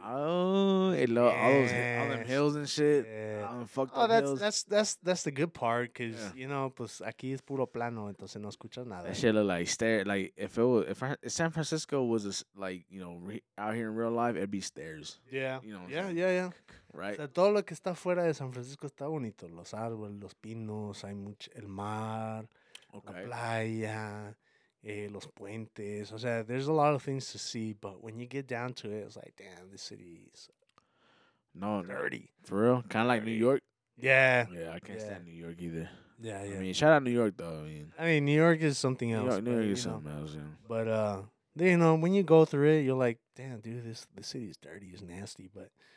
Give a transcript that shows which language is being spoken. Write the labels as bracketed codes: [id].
[en] Oh, it love all those all them hills and shit. Yeah. All them fucked up hills. That's the good part, because, you know, [es] pues aquí es puro plano, entonces no escuchas nada. [en] That shit look like stairs. Like, if San Francisco was, like, you know, out here in real life, it'd be stairs. Yeah. You know, yeah. Right. [es] O sea, todo lo que está fuera de San Francisco está bonito. Los árboles, los pinos, hay mucho, el mar, okay, la playa, los puentes. O sea, [en] there's a lot of things to see, but when you get down to it, it's like, damn, this city is dirty. For real? Kind of like New York? Yeah. Yeah, I can't stand New York either. Yeah. I mean, shout out New York, though. I mean, New York is something else. New York is something else, yeah. But, you know, when you go through it, you're like, damn, dude, this city is dirty, it's nasty, but...